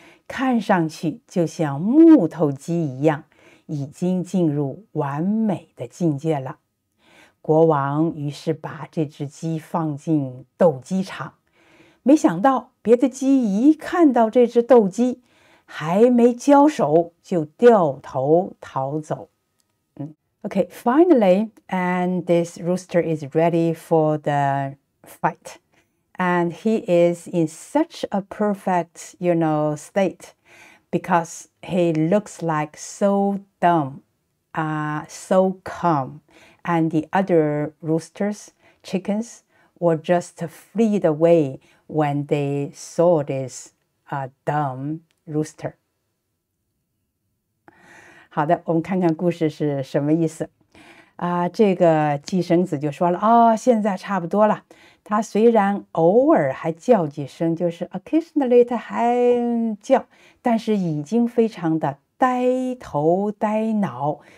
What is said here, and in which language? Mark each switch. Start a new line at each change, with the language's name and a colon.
Chinese: 看上去就像木头鸡一样，已经进入完美的境界了。国王于是把这只鸡放进斗鸡场，没想到别的鸡一看到这只斗鸡还没交手就掉头逃走。
English: Okay, finally, and this rooster is ready for the fight. And he is in such a perfect, you know, state because he looks like so dumb, so calm. And the other roosters, chickens, were just fled away when they saw this dumb rooster.
Chinese: 好的，我们看看故事是什么意思。这个鸡生子就说了，哦，现在差不多了。他虽然偶尔还叫几声，就是 occasionally 他还叫，但是已经非常的呆头呆脑。